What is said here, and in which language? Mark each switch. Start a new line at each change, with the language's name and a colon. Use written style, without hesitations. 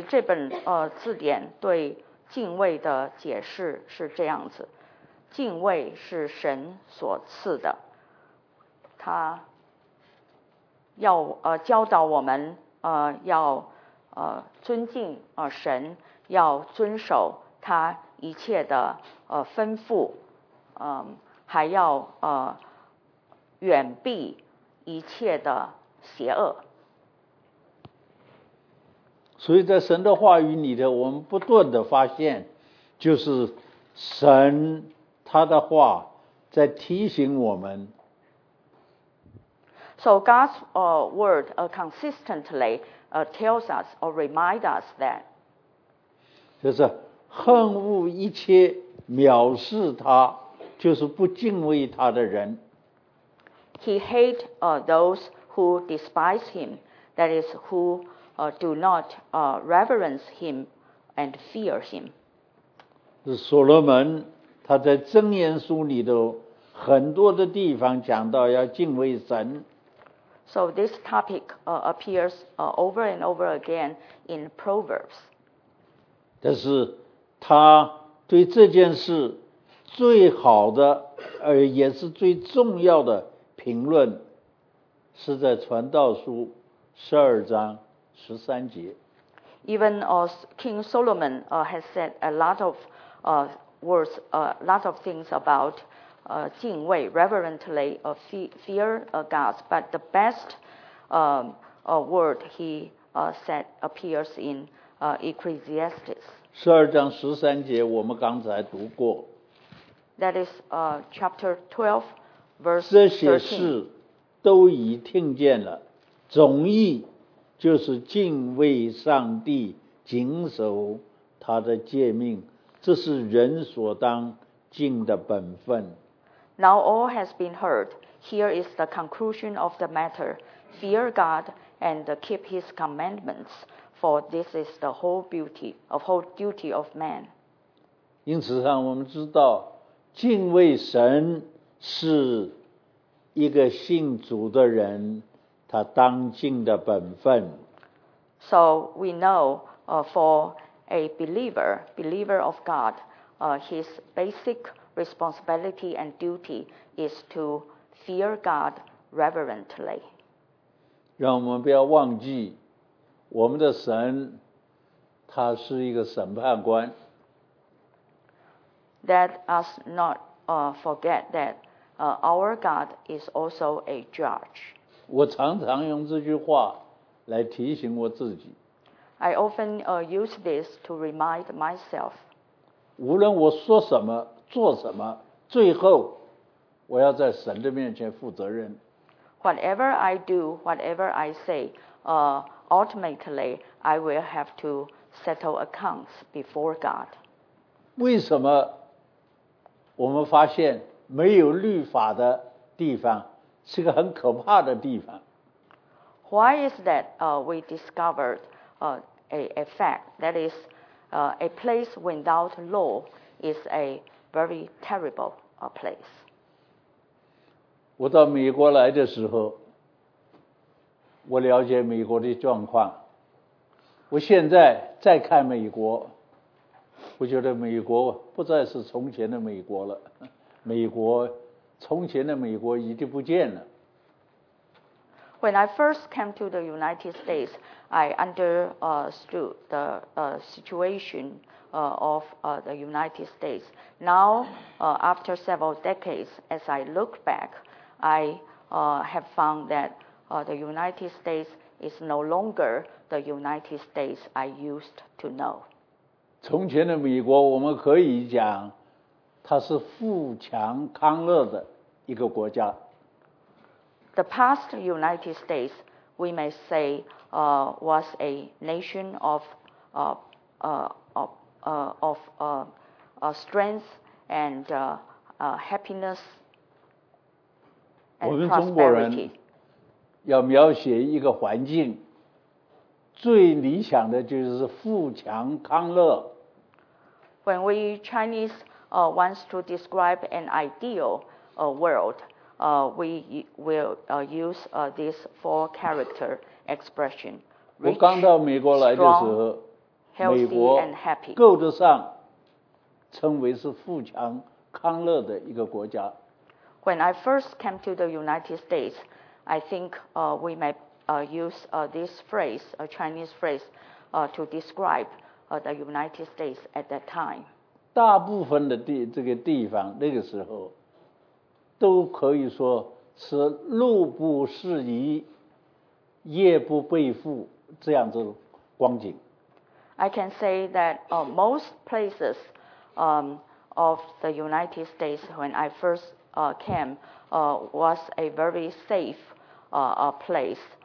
Chinese: 所以这本字典对敬畏的解释是这样子：敬畏是神所赐的，他要教导我们要尊敬神，要遵守他一切的吩咐，还要远避一切的邪恶。所以在神的话语里头，我们不断的发现，就是神他的话在提醒我们。
English: So God's word consistently tells us or remind us that
Chinese: 就是恨恶一切藐视他，就是不敬畏他的人。
English: He hates those who despise him, that is, who do not reverence him and fear him.
Chinese: 所罗门他在箴言书里头很多的地方讲到要敬畏神。
English: So this topic appears over and over again in Proverbs.
Chinese: 但是他对这件事最好的，也是最重要的评论是在传道书十二章十三节。
English: Even King Solomon has said a lot of words, a lot of things about 敬畏 reverently fear God. But the best word he said appears in Ecclesiastes.
Chinese: 十二章十三节，我们刚才读过。
English: That is chapter 12.
Chinese: 这些事都已听见了，总意就是敬畏上帝，谨守他的诫命，这是人所当敬的本分。
English: Now all has been heard. Here is the conclusion of the matter. Fear God and keep His commandments, for this is the whole beauty, a whole duty of man.
Chinese: 因此上我们知道，敬畏神是一个信主的人他当尽的本分。
English: So we know for a believer of God his basic responsibility and duty is to fear God reverently.
Chinese: 让我们不要忘记我们的神他是一个审判官。
English: Let us not forget thatOur God is also a judge.
Chinese: 我常常用这句话来提醒我自己。
English: I often use this to remind myself.
Chinese: 无论我说什么、做什么，最后我要在神的面前负责任。
English: Whatever I do, whatever I say, ultimately I will have to settle accounts before God.
Chinese: 为什么我们发现没有律法的地方是个很可怕的地方。
English: Why is that we discovered a fact that is a place without law is a very terrible place.
Chinese: 我到美国来的时候，我了解美国的状况。我现在再看美国，我觉得美国不再是从前的美国了。美国，从前的美国已经不见了。
English: When I first came to the United States, I understood the situation of the United States. Now, after several decades, as I look back, I have found that the United States is no longer the United States I used to know.
Chinese: 从前的美国，我们可以讲，它是富强康乐的一个国家。
English: The past United States, we may say, was a nation of strength and happiness.
Chinese: 我们中国人要描写一个环境，最理想的就是富强康乐。
English: When we Chinese wants to describe an ideal world, we will use these four character expression.
Chinese: 我刚到美国来的时候，美国够得上称为是富强康乐的一个国家。
English: When I first came to the United States, I think we may use this phrase, a Chinese phrase, to describe the United States at that time.
Chinese: 大部分的这个地方那个时候都可以说是路不拾遗，夜不被覆这样子光景。
English: I can say that most places of the United States when I first came was a very safe place.